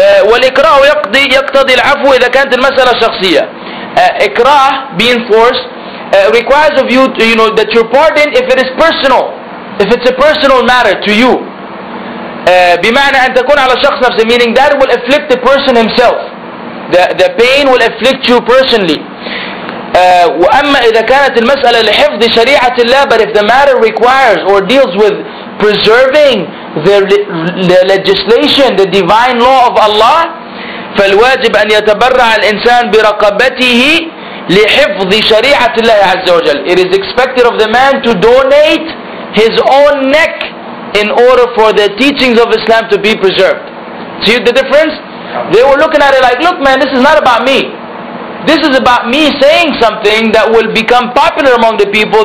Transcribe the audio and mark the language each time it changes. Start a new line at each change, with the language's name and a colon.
Arabic: والإكراه يقتضي العفو إذا كانت المسألة شخصية.
English: إكراه, being forced, requires of you, to, you know, that you're pardoned if it is personal, if it's a personal matter to you.
Arabic: بمعنى أن تكون على شخص نفسه,
English: meaning that will afflict the person himself. The pain will afflict you personally.
Arabic: وأما إذا كانت المسألة لحفظ شريعة الله,
English: but if the matter requires or deals with preserving the legislation, the divine law of Allah,
Arabic: فالواجب أن يتبرع الإنسان برقبته لحفظ شريعة الله عز وجل.
English: It is expected of the man to donate his own neck in order for the teachings of Islam to be preserved. See the difference? They were looking at it like, look man, this is not about me. This is about me saying something that will become popular among the people.